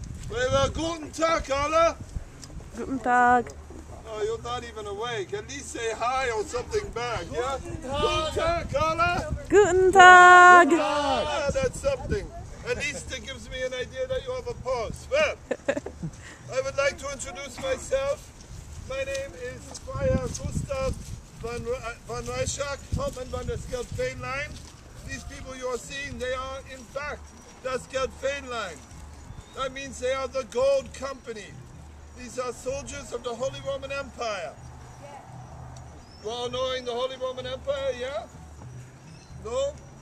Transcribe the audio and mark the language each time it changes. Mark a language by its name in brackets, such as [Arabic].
[English] Well, [German] guten Tag, alle. Guten Tag. [English] Oh, you're not even awake. At least say hi or something back, yeah? [German] Guten Tag, alle. Guten Tag. [English] Ah, that's something. At least it gives me an idea that you have a pause. Well, I would like to introduce myself. My name is Faire Gustav von Reischach, Hauptmann von der Skeld-Fähnlein. These people you are seeing, they are, in fact, the Skeld-Fähnlein. That means they are the gold company. These are soldiers of the Holy Roman Empire. Yeah. You all knowing the Holy Roman Empire, yeah? No?